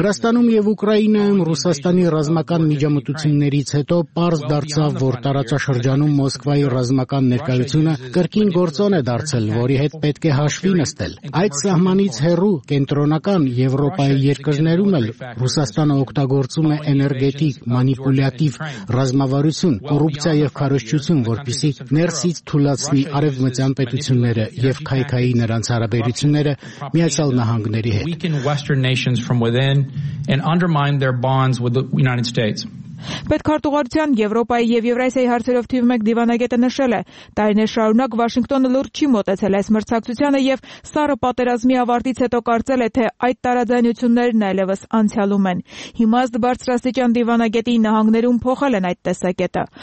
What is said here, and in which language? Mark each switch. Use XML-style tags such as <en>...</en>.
<hy>Վրաստանում եւ Ուկրաինայում Ռուսաստանի ռազմական միջամտություններից հետո պարզ դարձավ, որ տարածաշրջանում Մոսկվայի ռազմական ներկայությունը կրկին գործոն է դարձել, որի հետ պետք է հաշվի նստել։ Այդ սահմանից հեռու կենտրոնական Եվրոպայի երկրներում էլ Ռուսաստանը օգտագործում է էներգետիկ մանիպուլյատիվ ռազմավարություն, կոռուպցիա եւ քարոշչություն, որպիսի ներսից թուլացնի արևմտյան պետությունները եւ քայքայի նրանց հարաբերությունները Միացյալ Նահանգների հետ։</hy> <en>Weaken Western nations from within and undermine their bonds with the United States.</en> <hy>Պետքարտուղարության Եվրոպայի և Եվրասիայի հարցերով թիվ 1 դիվանագետը նշել է, տարիներ շարունակ Վաշինգտոնը լուրջ չի մոտեցել այս մրցակցությանը և Սառը պատերազմի ավարտից հետո կարծել է, թե այդ տարաձայնություններն այլևս անցյալում են։ Հիմա ըստ բարձրաստիճան դիվանագետի նահանգներում փոխել են այդ տեսակետը։</hy>